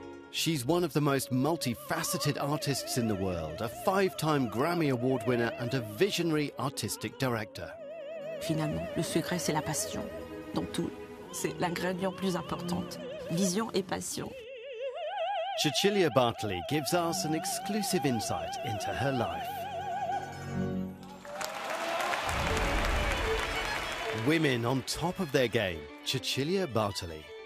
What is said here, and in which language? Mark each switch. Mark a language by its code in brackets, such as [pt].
[en] She's one of the most multifaceted artists in the world, a five-time Grammy Award winner and a visionary artistic director. [fr] Finalement, le secret, c'est la passion. Dans tout, c'est l'ingrédient plus important. Vision et passion. [en] Cecilia Bartley gives us an exclusive insight into her life. Women on top of their game, Cecilia Bartley.